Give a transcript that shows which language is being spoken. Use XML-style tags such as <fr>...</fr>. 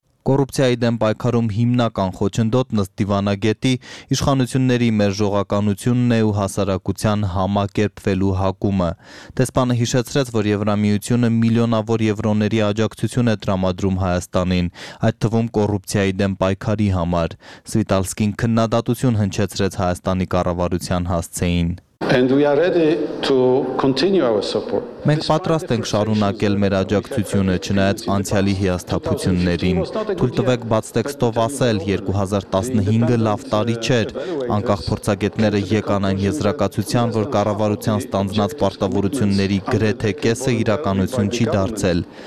<hy>Կոռուպցիայի դեմ պայքարում հիմնական խոչընդոտն ըստ դիվանագետի իշխանությունների մերժողականությունն է ու հասարակության համակերպվելու հակումը։ Դեսպանը հիշեցրեց, որ Եվրամիությունը միլիոնավոր եվրոների աջակցություն է տրամադրում Հայաստանին, այդ թվում կոռուպցիայի դեմ պայքարի համար։ Սվիտալսկին քննադատություն հնչեցրեց Հայաստանի կառավարության հասցեին։</hy> <en>And we are ready to continue our support.</en> <hy>Մենք պատրաստ ենք շարունակել մեր աջակցությունը, չնայած անցյալի հիասթափություններին։ Թույլ տվեք բաց տեքստով ասել, 2015-ը լավ տարի չէր։ Անկախ փորձագետները եկան այն եզրակացության, որ կառավարության ստանձնած պարտավորությունների գրեթե կեսը իրականություն չի դարձել։</hy>